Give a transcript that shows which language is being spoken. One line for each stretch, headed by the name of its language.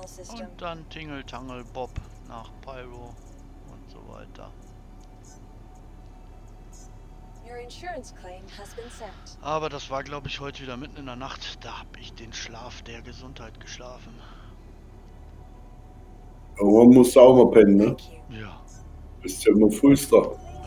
German: Und dann Tingeltangel Bob nach Pyro und so weiter.
English: Your insurance claim has been sent.
German: Aber das war, glaube ich, heute wieder mitten in der Nacht. Da habe ich den Schlaf der Gesundheit geschlafen. Aber man muss da auch mal pennen, ne? Ja. Bist ja immer frühster.